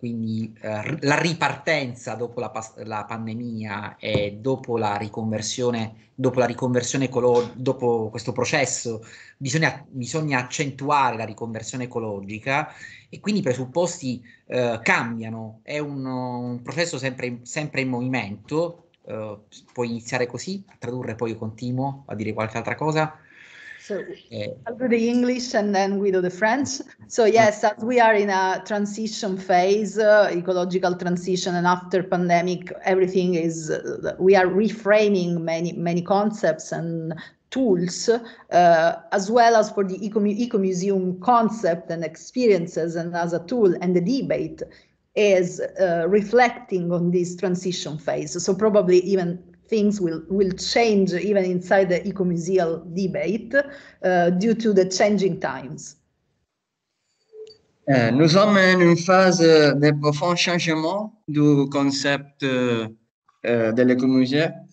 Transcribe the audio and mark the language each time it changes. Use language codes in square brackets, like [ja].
[it] quindi la ripartenza dopo la pandemia e dopo la riconversione, dopo questo processo, bisogna accentuare la riconversione ecologica, e quindi i presupposti cambiano, è un processo sempre in movimento. Puoi iniziare così, tradurre, poi io continuo a dire qualche altra cosa. [en] So, I'll do the English and then we do the French. So yes, as we are in a transition phase, ecological transition, and after pandemic, everything is, we are reframing many concepts and tools, as well as for the Eco Museum concept and experiences and as a tool, and the debate is reflecting on this transition phase. So probably even things will change even inside the ecomuseal debate due to the changing times. [fr] Nous sommes en une phase de profond changement du concept de l'écomusée.